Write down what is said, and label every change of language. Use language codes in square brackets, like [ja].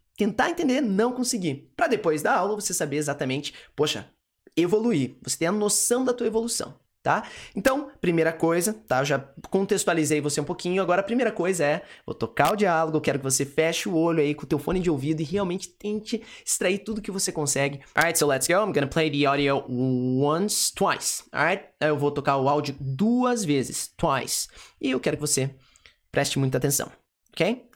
[pt] Tentar entender, não conseguir. Pra depois da aula, você saber exatamente, poxa, evoluir. Você tem a noção da tua evolução. Tá? Então, primeira coisa, tá? Eu já contextualizei você um pouquinho, agora a primeira coisa é, vou tocar o diálogo, quero que você feche o olho aí com o teu fone de ouvido e realmente tente extrair tudo que você consegue. [en] Alright, so let's go, I'm gonna play the audio once, twice, alright? [pt] Eu vou tocar o áudio duas vezes, twice, e eu quero que você preste muita atenção, ok?